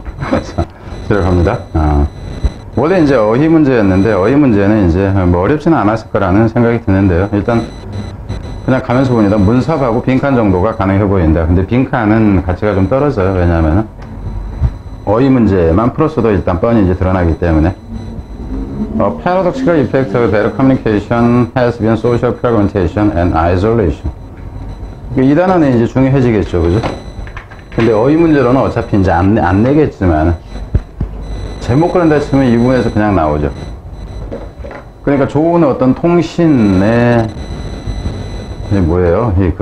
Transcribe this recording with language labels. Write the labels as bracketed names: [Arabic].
[Korean] 자, 들어갑니다. 아, 원래 이제 어휘 문제였는데 어휘 문제는 이제 뭐 어렵지는 않았을 거라는 생각이 드는데요. 일단 그냥 가면서 보니까 문사하고 빈칸 정도가 가능해 보인다. 근데 빈칸은 가치가 좀 떨어져요. 왜냐하면 어휘 문제만 풀었어도 일단 뻔히 이제 드러나기 때문에. [English] Paradoxical effect of better communication has been social fragmentation and isolation. [Korean] 이 단어는 이제 중요해지겠죠, 그죠? 근데 어휘 문제로는 어차피 이제 안 내겠지만, 제목 그런다 치면 이 부분에서 그냥 나오죠. 그러니까 좋은 어떤 통신의, 뭐예요?